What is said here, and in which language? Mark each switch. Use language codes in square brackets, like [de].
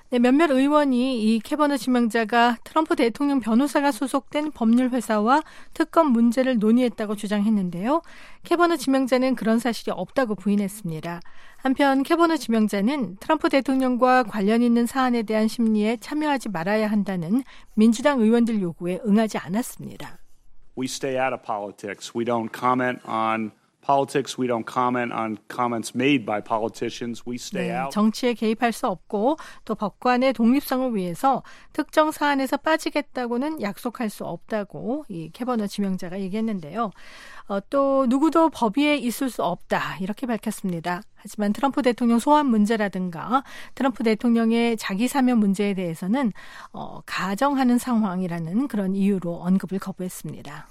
[ko] 네, 몇몇 의원이 이 캐버너 지명자가 트럼프 대통령 변호사가 소속된 법률회사와 특검 문제를 논의했다고 주장했는데요. 캐버너 지명자는 그런 사실이 없다고 부인했습니다. 한편 캐버너 지명자는 트럼프 대통령과 관련 있는 사안에 대한 심리에 참여하지 말아야 한다는 민주당 의원들 요구에 응하지 않았습니다. [en] We stay out of politics. We don't comment on politics. We don't comment on comments made by politicians. We stay out. [ko] 네, 정치에 개입할 수 없고 또 법관의 독립성을 위해서 특정 사안에서 빠지겠다고는 약속할 수 없다고 이 캐버너 지명자가 얘기했는데요. 또 누구도 법 위에 있을 수 없다 이렇게 밝혔습니다. 하지만 트럼프 대통령 소환 문제라든가 트럼프 대통령의 자기 사면 문제에 대해서는 가정하는 상황이라는 그런 이유로 언급을 거부했습니다.